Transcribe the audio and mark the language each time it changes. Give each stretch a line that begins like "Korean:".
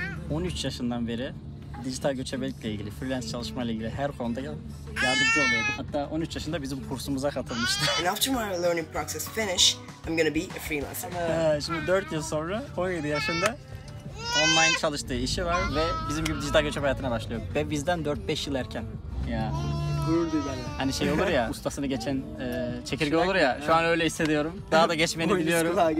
Turkish: 13 yaşından beri dijital göçebelikle ilgili, freelance çalışmayla ilgili her konuda yardımcı oluyordu. Hatta 13 yaşında bizim kursumuza katılmıştı.
English: And after my learning process finish, I'm gonna be a freelancer.
Turkish: Şimdi 4 yıl sonra 17 yaşında online çalıştığı işi var ve bizim gibi dijital göçebe hayatına başlıyor. Ve bizden 4-5 yıl erken. Ya. Hani şey olur ya, ustasını geçen çekirge olur ya, şu an öyle hissediyorum. Daha da geçmeni biliyorum.